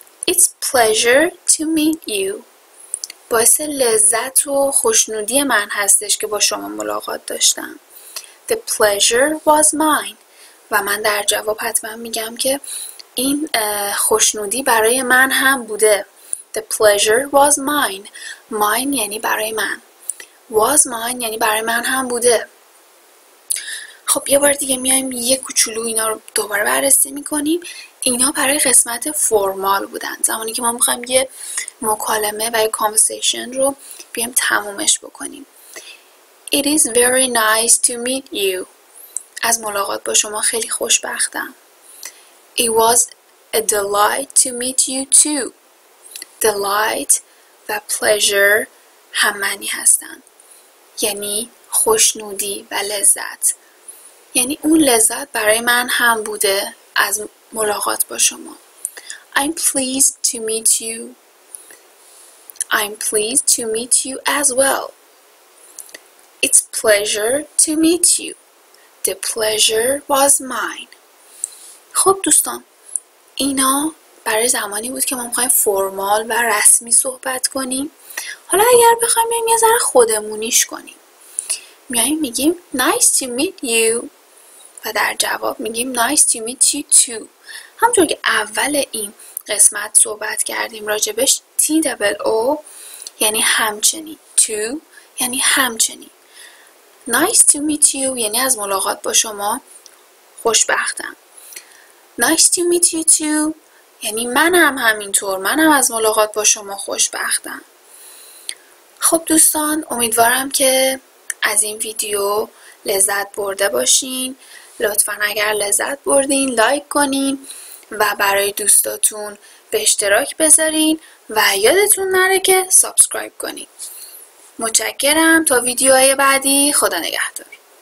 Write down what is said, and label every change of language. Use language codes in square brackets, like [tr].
[en] It's pleasure to meet you. [fa] باعث لذت و خوشنودی من هستش که با شما ملاقات داشتم. [en] The pleasure was mine. [fa] و من در جواب حتما میگم که این خوشنودی برای من هم بوده. [en] The pleasure was mine. [fa] Mine یعنی برای من. [en] Was mine [fa] یعنی برای من هم بوده. خب یه بار دیگه میایم یه کوچولو اینا رو دوباره بررسی میکنیم. اینا برای قسمت فرمال بودن. زمانی که ما میخوایم یه مکالمه و یه conversation رو بیایم تمومش بکنیم. [en] It is very nice to meet you. [fa] از ملاقات با شما خیلی خوشبختم. [en] It was a delight to meet you too. [fa] Delight و pleasure هم معنی هستن. یعنی خوشنودی و لذت. یعنی اون لذت برای من هم بوده از ملاقات با شما. [en] I'm pleased to meet you. I'm pleased to meet you as well. It's pleasure to meet you. The pleasure was mine. [fa] خب دوستان اینا برای زمانی بود که ما می‌خوایم فرمال و رسمی صحبت کنیم. حالا اگر بخوایم یه ذره خودمونیش کنیم. میایم میگیم [en] nice to meet you [fa] و در جواب میگیم [en] nice to meet you too. [fa] همونطور که اول این قسمت صحبت کردیم راجبش TOO یعنی همچنین، too یعنی همچنین. [en] Nice to meet you [fa] یعنی از ملاقات با شما خوشبختم. [en] Nice to meet you too. [fa] یعنی منم همینطور، منم از ملاقات با شما خوشبختم. خب دوستان، امیدوارم که از این ویدیو لذت برده باشین. لطفاً اگر لذت بردین لایک کنین و برای دوستاتون به اشتراک بذارین و یادتون نره که سابسکرایب کنین. متشکرم، تا ویدیوهای بعدی، خدا نگهدار.